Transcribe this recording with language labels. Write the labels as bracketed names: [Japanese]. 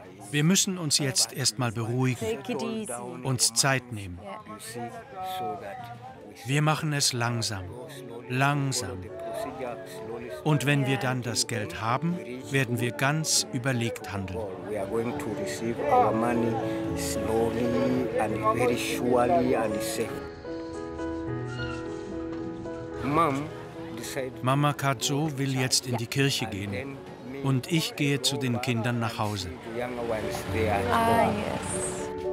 [German] Wir müssen uns jetzt erstmal beruhigen, uns Zeit nehmen. Wir machen es langsam, langsam. Und wenn wir dann das Geld haben, werden wir ganz überlegt handeln. [English] We are going to receive our money slowly and very surely and safe. [German] Mama Katsu will jetzt in die Kirche gehen. Und ich gehe zu den Kindern nach Hause. [English] Ah, yes.